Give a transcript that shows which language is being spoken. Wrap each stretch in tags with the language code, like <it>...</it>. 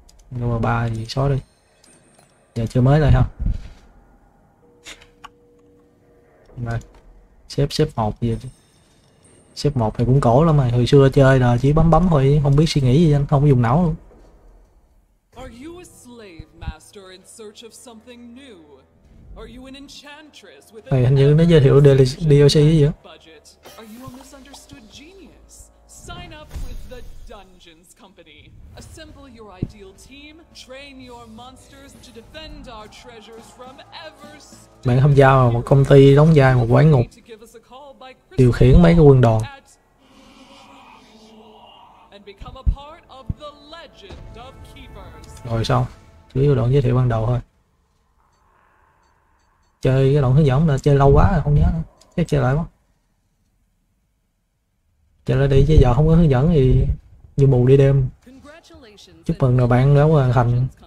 <vi>Nhưng mà ba thì xóa đi. Giờ chưa mới đây ha. Đây. Xếp xếp một gì đi. Xếp một thì cũng cổ lắm mà. Hồi xưa chơi là chỉ bấm bấm thôi, không biết suy nghĩ gì, anh không có dùng não luôn.</vi> <en>Are you a slave master in search of something new? Are you an enchantress with</en> <vi>này hình như nó giới thiệu DLC gì vậy?</vi> <en>Are you a misunderstood genius? Sign up with the Dungeons Company. Assemble your ideal team, train your monsters to defend our treasures from ever.</en> <vi>Bạn tham gia vào một công ty đóng vai một quái ngục, điều khiển mấy cái quân đoàn.</vi> <en>And become a part of the legend of keepers.</en> <vi>Rồi xong, chủ yếu đoạn giới thiệu ban đầu thôi. Chơi cái đoạn hướng dẫn là chơi lâu quá rồi, không nhớ nữa. Chắc chơi lại quá. Chơi lại đi chứ giờ không có hướng dẫn thì như mù đi đêm. Chúc mừng là bạn đã hoàn thành.</vi>